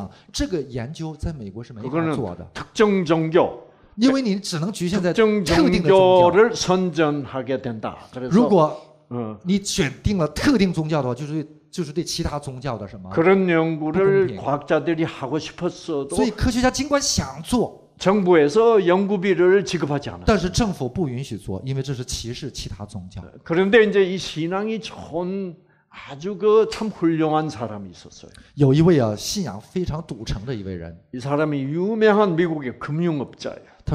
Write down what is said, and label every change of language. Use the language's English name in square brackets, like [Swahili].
[Chinese] 因为在美国科学家没法研究一个去教会信上帝的人他的宗教信仰对他的生活健康到底有什么样的影响这个研究在美国是没法做的。 [Korean] 특정 종교. [Chinese] 因为你只能局限在特定的宗教。如果你选定了特定宗教的话，就是对其他宗教的什么？ [Korean] 그런 연구를 과학자들이 하고 싶었어도. [Chinese] 所以科学家尽管想做。 [Korean] 정부에서 연구비를 지급하지 않아. [Chinese] 但是政府不允许做，因为这是歧视其他宗教。 [Korean] 그런데 이제 이 신앙이 좋은 아주 그 참 훌륭한 사람이 있었어요. [Chinese] 有一位啊，信仰非常笃诚的一位人。 [Korean] 이 사람이 유명한 미국의 금융업자예요.